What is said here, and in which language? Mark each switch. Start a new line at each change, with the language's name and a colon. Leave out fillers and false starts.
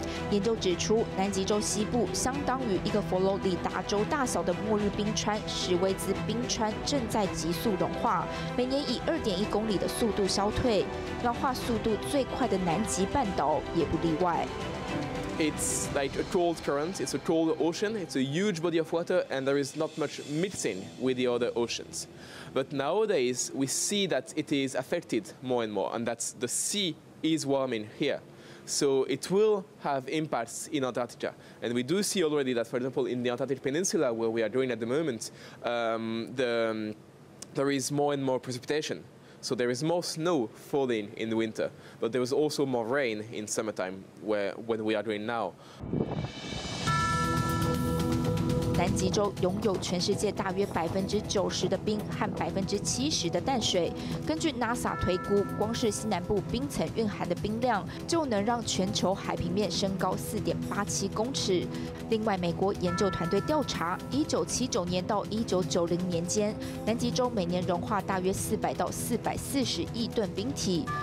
Chinese: 研究指出，南极洲西部相当于一个佛罗里达州大小的末日冰川史威兹冰川正在急速融化，每年以2.1公里的速度消退，融化速度最快的南极半岛也不例外。
English: It's like a cold current. It's a cold ocean. It's a huge body of water, and there is not much mixing with the other oceans. But nowadays, we see that it is affected more and more, and that the sea is warming here. So it will have impacts in Antarctica. And we do see already that, for example, in the Antarctic Peninsula, where we are doing at the moment, there is more and more precipitation. So there is more snow falling in the winter, but there is also more rain in summertime, when we are doing now.
Chinese: 南极洲拥有全世界大约90%的冰和70%的淡水。根据 NASA 推估，光是西南部冰层蕴含的冰量，就能让全球海平面升高4.87公尺。另外，美国研究团队调查，1979年到1990年间，南极洲每年融化大约400到440亿吨冰体。